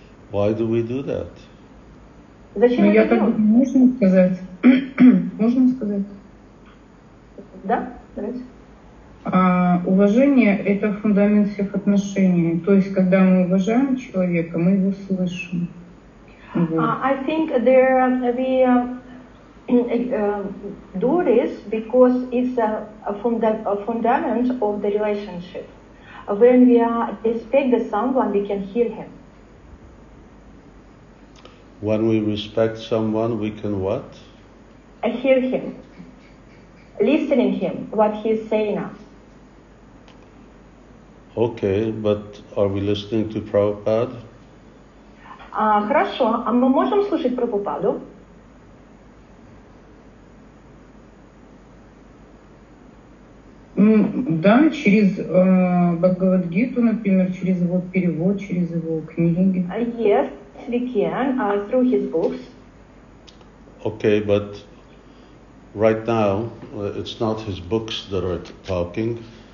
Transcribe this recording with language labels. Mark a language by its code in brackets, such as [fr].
[en] Why do we do that? [ru] Зачем я так делаю? Можно сказать? Можно сказать? Да? Давайте. Уважение – это фундамент всех отношений. То есть, когда мы уважаем человека, мы его слышим. [en] I think there we do this because it's a fundament of the relationship. When we respect the someone, we can hear him. When we respect someone, we can what? I hear him. Listening him, what he's saying us. Okay, but are we listening to Prabhupada? [ru] Хорошо, а мы можем слушать Прабхупаду? Да, через Бхагавад-гиту, например, через его перевод, через его книги. [en] Yes, we can, through his books. Okay, but right now, it's not his books that are talking.